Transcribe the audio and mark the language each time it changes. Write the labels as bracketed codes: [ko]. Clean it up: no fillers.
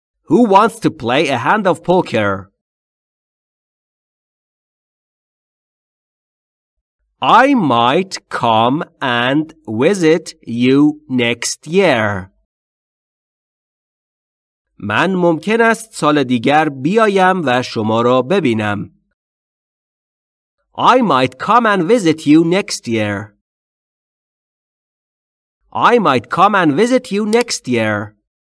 [en] Who wants to play a hand of poker? I might come and visit you next year. [fa] من ممکن است سال دیگر بیایم و شما را ببینم. [en] I might come and visit you next year. I might come and visit you next year.